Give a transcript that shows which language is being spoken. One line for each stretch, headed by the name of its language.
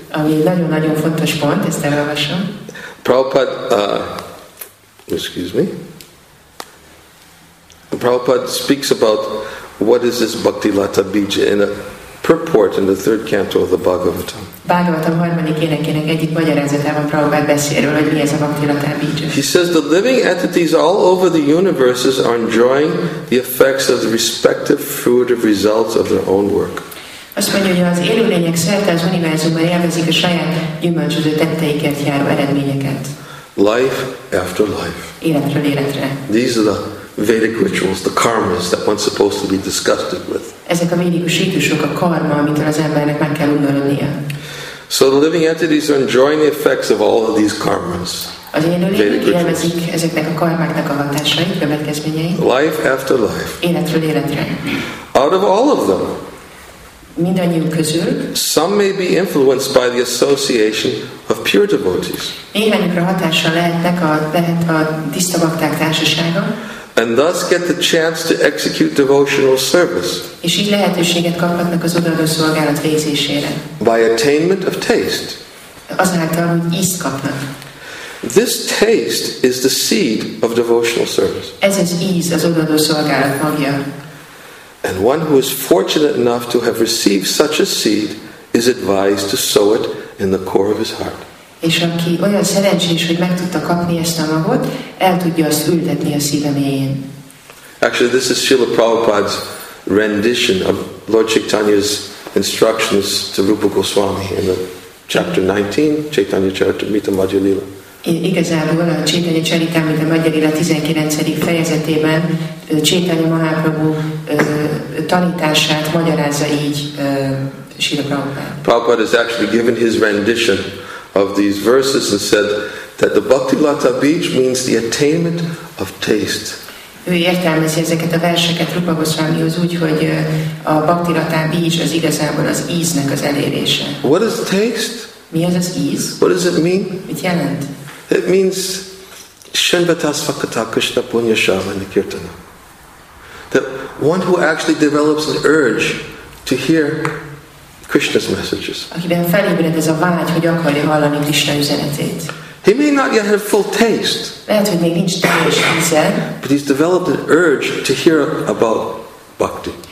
Hungarian: Ami nagyon-nagyon fontos pont, ezt elolvasom.
English: Prabhupada, Prabhupada speaks about what is this bhakti lata bija in a purport in the third canto of the Bhagavatam.
Hungarian: Bhagavatam harmadik énekének egyik magyarázatában Prabhupada beszélről, hogy mi ez a bhakti lata bija.
English: He says the living entities all over the universes are enjoying the effects of the respective fruit of results of their own work.
Hungarian: Azt mondja, hogy az élőlények szerte az univerzumban élvezik a saját gyümölcsöző tetteiket járó eredményeket.
English: Life after life.
Hungarian: Életről életre.
English: These are the Vedic rituals, the karmas that one's supposed to be disgusted with.
Hungarian: Ezek a védikus rítusok, a karma, amitől az embernek meg kell undorodnia.
English: So the living entities are enjoying the effects of all of these karmas.
Hungarian: Az élőlények élvezik ezeknek a karmáknak a hatásait, következményeit.
English: Life after life.
Hungarian: Életről életre.
English: Out of all of them,
Hungarian: mindannyiuk közül,
English: some may be influenced by the association of pure devotees.
Hungarian: Néhányukra hatással lehet a tiszta bhakták társasága.
English: And thus get the chance to execute devotional service.
Hungarian: És így lehetőséget kaphatnak az odaadó szolgálat végzésére.
English: By attainment of taste.
Hungarian: Azáltal, hogy ízt kapnak.
English: This taste is the seed of devotional service.
Hungarian: Ez az íz az odaadó szolgálat magja.
English: And one who is fortunate enough to have received such a seed is advised to sow it in the core of his heart.
Hungarian: És aki olyan szerencsés, hogy meg tudta kapni ezt a magot, el tudja azt ültetni a szívemélyén.
English: Actually, this is Srila Prabhupada's rendition of Lord Chaitanya's instructions to Rupa Goswami in the chapter 19, Chaitanya Charitamrita Madhya Lila.
Hungarian: Igazából a Chaitanya Charitamrita Madhya Lila 19. fejezetében Chaitanya Mahaprabhu tanítását magyarázza így Srila Prabhupada.
English: Prabhupada has actually given his rendition of these verses and said that the Bhakti Lata Beach means the attainment of taste.
Hungarian: Ő értelmezi ezeket a verseket Rupa Goswamihoz úgy, hogy a Bhakti Lata Beach az igazából az íznek az elérése.
English: What is taste?
Hungarian: Mi az az íz?
English: What does it mean?
Hungarian: Mit jelent?
English: It means
Sanskrit: Shenbatas Fakata Krishna Punya Shavani Kirtana.
English: That one who actually develops an urge to hear Krishna's messages.
Hungarian: Akiben felébred ez a vágy, hogy akarja hallani Krishna üzenetét.
English: He may not yet have full taste.
Hungarian: Lehet, hogy még nincs teljes íze.
English: But he's developed an urge to hear about bhakti.